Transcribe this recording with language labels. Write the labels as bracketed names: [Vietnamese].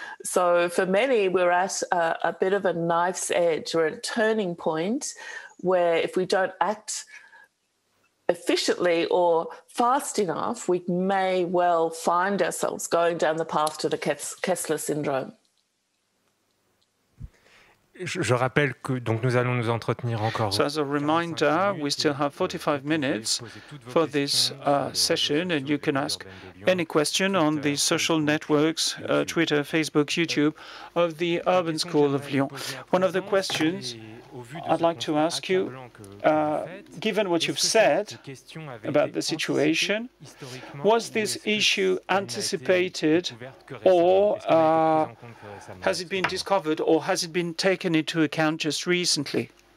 [English] So for many, we're at a bit of a knife's edge or a turning point where if we don't act efficiently or fast enough, we may well find ourselves going down the path to the Kessler syndrome. [French] Je rappelle que donc nous allons nous entretenir encore. [English] So as a reminder, we still have 45 minutes for this session, and you can ask any question on the social networks, Twitter, Facebook, YouTube, of the Urban School of Lyon. One of the questions I'd like to ask you, given what you've said about the situation, was this issue anticipated or has it been discovered or has it been taken into account just recently?